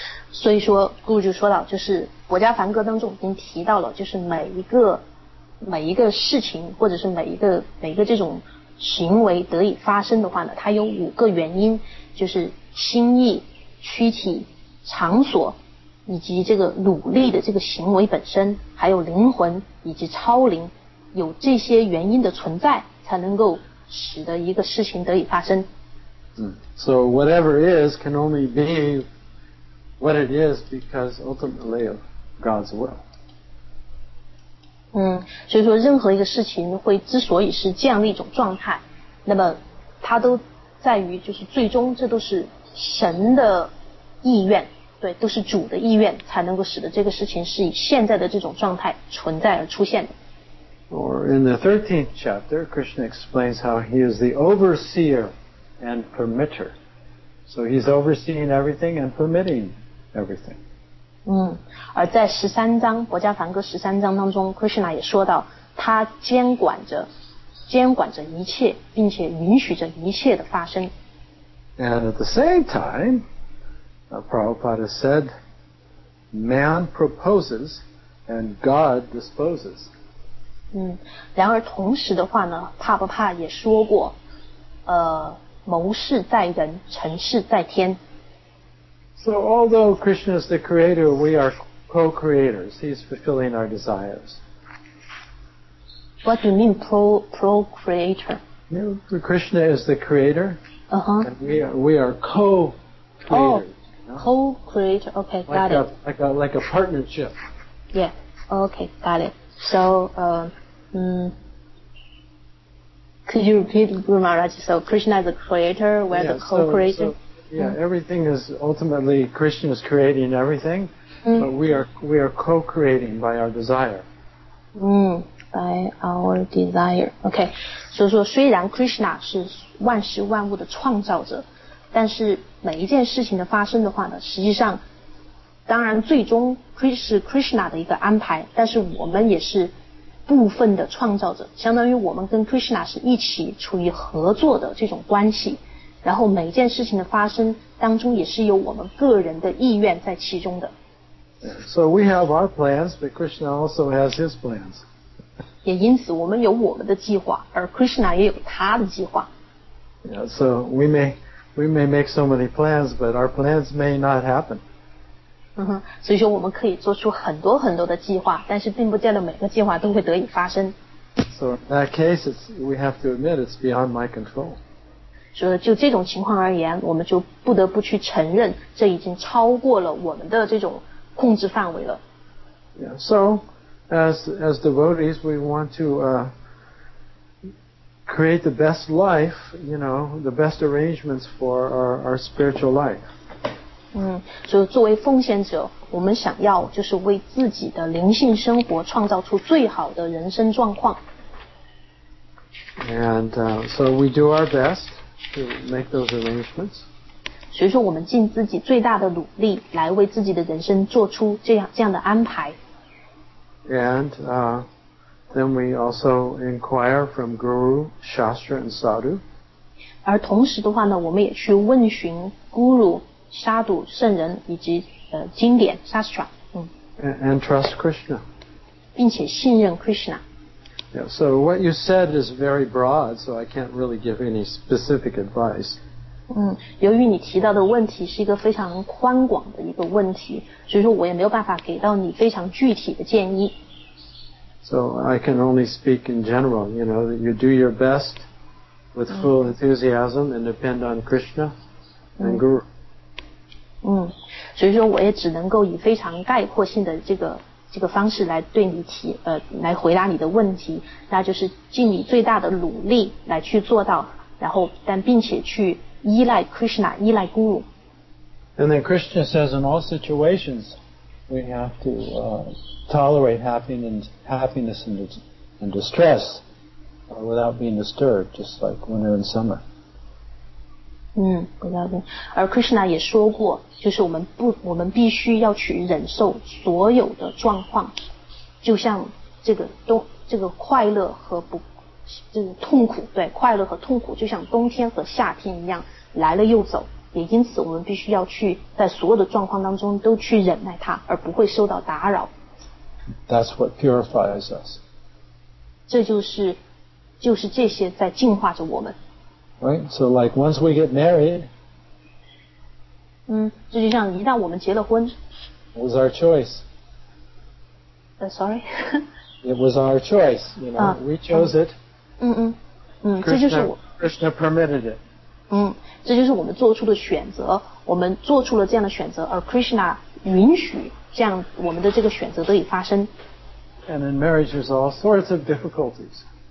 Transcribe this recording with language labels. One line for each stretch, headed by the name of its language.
Chinese: 所以说，顾就说到，就是《国家梵歌》当中已经提到了，就是每一个事情，或者是每一个这种行为得以发生的话呢，它有五个原因，就是心意、躯体、场所，以及这个努力的这个行为本身，还有灵魂以及超灵，有这些原因的存在，才能够使得一个事情得以发生。
English: So whatever is can only be. What it is because ultimately of God's will.
Chinese: 所以说任何一个事情会之所以是这样的一种状态，那么它都在于就是最终这都是神的意愿，对，都是主的意愿才能够使得这个事情是以现在的这种状态存在而出现的。
English: Or in the 13th chapter, Krishna explains how he is the overseer and permitter So he's overseeing everything and permitting everything.
Chinese: 而在十三章《薄伽梵歌》十三章当中 ，Krishna 也说到，他监管着一切，并且允许着一切的发生。
English: And at the same time, Prabhupada said, "Man proposes, and God disposes."
Chinese: 然而同时的话呢，帕布帕也说过，谋事在人，成事在天。
English: So although Krishna is the creator, we are co-creators. He's fulfilling our desires. What do you mean pro-creator? You know, Krishna is the creator. Uh-huh. And we are co-creators. Oh, you know? Co-creator. Okay, got like it. Like a partnership. Yeah. Okay, got it. So, could you repeat Guru Maharaj? So Krishna is the creator, we're the co-creator. So, everything is ultimately Krishna is creating everything, but we are co-creating by our desire. By our desire. Okay.
Chinese: 所以说虽然 Krishna 是万事万物的创造者，但是每一件事情的发生的话呢，实际上当然最终是 Krishna 的一个安排，但是我们也是部分的创造者，相当于我们跟 Krishna 是一起处于合作的这种关系，然后每一件事情的发生当中也是有我们个人的意愿在其中的。
English: So we have our plans, but Krishna also has his plans.
Chinese: 也因此我们有我们的计划，而 Krishna 也有他的计划。
English: So we may make so many plans, but our plans may not happen.
Chinese: 所以说我们可以做出很多很多的计划，但是并不见得每个计划都会得以发生。
English: So in that case, we have to admit it's beyond my control.
Chinese: 所以就这种情况而言，我们就不得不去承认，这已经超过了我们的这种控制范围了。
English: Yeah, so, as devotees, we want to create the best life, you know, the best arrangements for our spiritual life.
Chinese: 所以作为奉献者，我们想要就是为自己的灵性生活创造出最好的人生状况。
English: And so we do our best. To make those arrangements.
Chinese: 所以说我们尽自己最大的努力来为自己的人生做出这样的安排。
English: And then we also inquire from Guru, Shastra and Sadhu.
Chinese: 而同时的话呢，我们也去问询 Guru, Sadhu, 圣人以及经典 Shastra.
English: And trust Krishna.
Chinese: 并且信任 Krishna.
English: Yeah, so what you said is very broad, so I can't really give any specific advice.
Chinese: 由于你提到的问题是一个非常宽广的一个问题，所以说我也没有办法给到你非常具体的建议。
English: So I can only speak in general, you know, that you do your best with full enthusiasm and depend on Krishna and Guru.
Chinese: 所以说我也只能够以非常概括性的这个方式来对你提来回答你的问题，那就是尽你最大的努力来去做到，然后但并且去依赖 Krishna， 依赖 Guru。
English: And then Krishna says, in all situations, we have to tolerate happiness and distress without being disturbed, just like winter and summer.
Chinese: 不要紧。而 Krishna 也说过。就是我们必须要去忍受所有的状况，就像这个快乐和不这个痛苦，对，快乐和痛苦就像冬天和夏天一样，来了又走，也因此我们必须要去在所有的状况当中都去忍耐它，而不会受到打扰。
English: That's what purifies us.
Chinese: 这就是这些在净化着我们。
English: Right, so like once we get married.
Chinese: 这就像一旦我们结了婚
English: It was our choice. Sorry? It was our choice, you know. We chose it.
Chinese: 这就是我
English: Krishna permitted it.
Chinese: 这就是我们做出的选择，我们做出了这样的选择，而 Krishna 允许这样我们的这个选择得以发生。
English: And in marriage there's all sorts of difficulties.